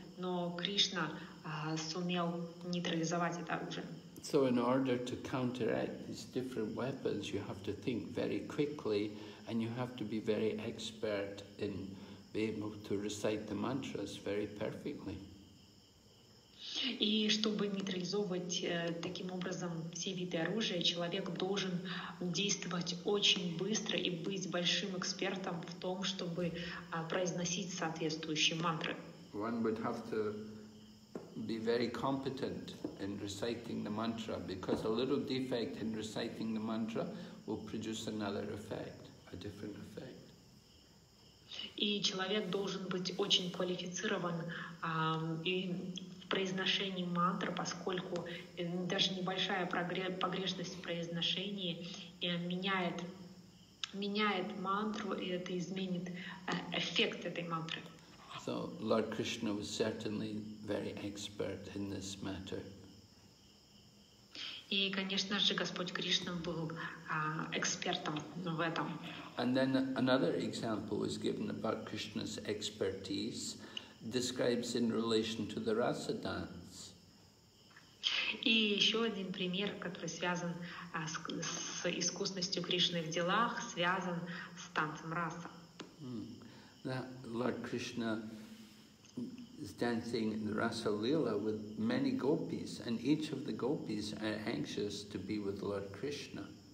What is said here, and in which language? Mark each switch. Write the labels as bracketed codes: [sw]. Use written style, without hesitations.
[ru] Но Кришна сумел нейтрализовать это оружие. [en] So in order to counteract these different weapons, you have to think very quickly and you have to be very expert in be able to recite the mantras very perfectly. [ru] И чтобы нейтрализовать таким образом все виды оружия, человек должен действовать очень быстро и быть большим экспертом в том, чтобы произносить соответствующие мантры. [en] One would have to be very competent in reciting the mantra, because a little defect in reciting the mantra will produce another effect, a different effect. [ru] И человек должен быть очень квалифицирован и в произношении мантр, поскольку даже небольшая погрешность в произношении меняет мантру, и это изменит эффект этой мантры. [en] So Lord Krishna was certainly very expert in this matter. [ru] И, конечно же, Господь Кришна был экспертом в этом. [en] And then another example was given about Krishna's expertise, describes in relation to the rasa dance. [ru] И еще один пример, который связан с искусностью Кришны в делах, связан с танцем раса. [en] Lord Krishna is dancing the rasa lila with many gopis, and each of the gopis are anxious to be with Lord Krishna.